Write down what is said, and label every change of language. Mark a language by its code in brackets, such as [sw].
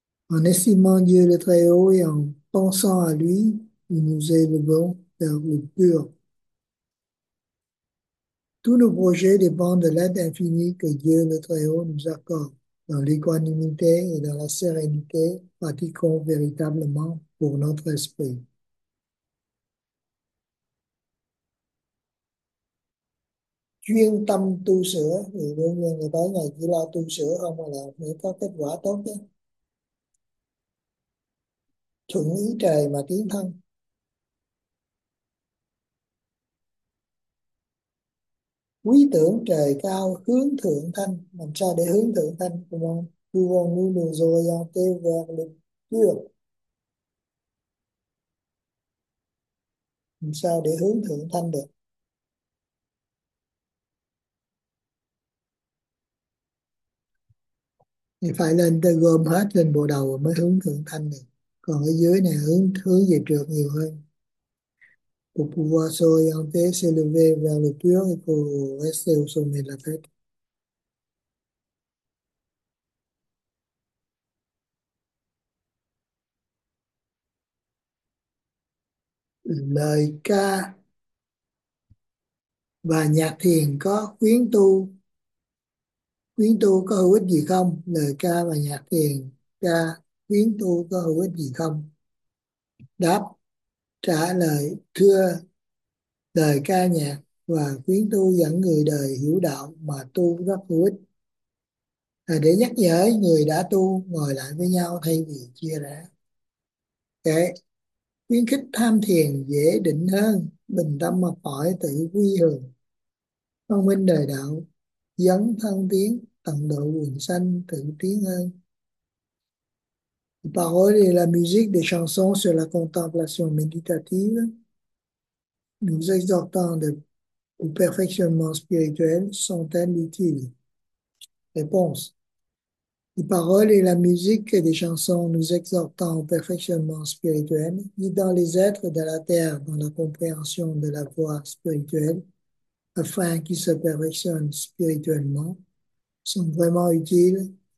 [fr] En estimant Dieu le Très-Haut et en pensant à lui, nous nous élevons vers le pur. Tous nos projets dépendent de l'aide infinie que Dieu le Très-Haut nous accorde. Dans l'équanimité et dans la sérénité, pratiquons véritablement pour notre esprit. [vi] Chuyên tâm tu sửa, thì đương nhiên người tới ngày chỉ lo tu sửa không mà là phải có kết quả tốt chứ. Thuận ý trời mà tiến thân. Quý tưởng trời cao hướng thượng thanh, làm sao để hướng thượng thanh của ông vua như rồi do tê vẹt lực chưa, làm sao để hướng thượng thanh được? Thì phải lên tới gom hết lên bộ đầu mới hướng thượng thanh được, còn ở dưới này hướng hướng về trượt nhiều hơn. [fr] Pour pouvoir s'orienter, s'élever vers le pur et pour rester au sommet de la tête. [vi] Lời ca và nhạc thiền có khuyến tu có hữu ích gì không? Lời ca và nhạc thiền ca khuyến tu có hữu ích gì không? Đáp, trả lời, thưa, lời ca nhạc và khuyến tu dẫn người đời hiểu đạo mà tu rất hữu ích. À, để nhắc nhở người đã tu ngồi lại với nhau thay vì chia rẽ. Để khuyến khích tham thiền dễ định hơn, bình tâm học hỏi tự quy hướng, thông minh đời đạo, dấn thân tiến, tận độ quần sanh tự tiến hơn. [fr] Paroles et la musique des chansons sur la contemplation méditative. Nous exhortant au perfectionnement spirituel sont-elles utiles? Réponse. Les paroles et la musique des chansons nous exhortant au perfectionnement spirituel, guidant les êtres de la terre dans la compréhension de la voie spirituelle, afin qu'ils se perfectionnent spirituellement, sont vraiment utiles.